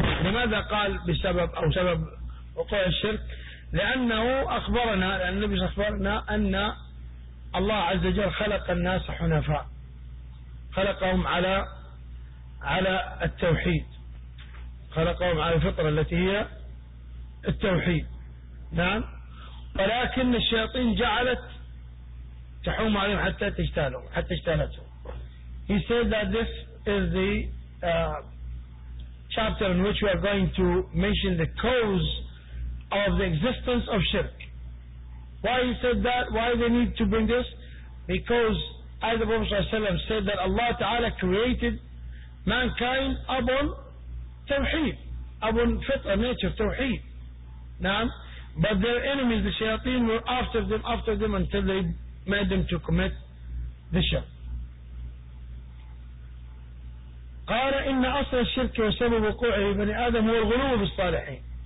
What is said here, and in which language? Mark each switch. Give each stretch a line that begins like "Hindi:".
Arabic: لماذا قال بسبب أو سبب وقوع الشرك؟ لأن النبي أخبرنا أن الله عز وجل خلق الناس حنفاء، خلقهم على التوحيد، خلقهم على الفطرة التي هي التوحيد. نعم، ولكن الشياطين جعلت تحوم عليهم حتى تجتالهم، حتى اجتالتهم.
English: He said that this is the chapter in which we are going to mention the cause of the existence of shirk. Why he said that? Why they need to bring this? Because as the Prophet ﷺ said that Allah Ta'ala created mankind upon tawheed, upon fitra, nature, tawheed. Naam? But their enemies, the shayateen, were after them until they made them to commit the shirk.
Arabic: قال إن أصل الشرك وسبب وقوعه بني آدم هو الغلو بالصالحين.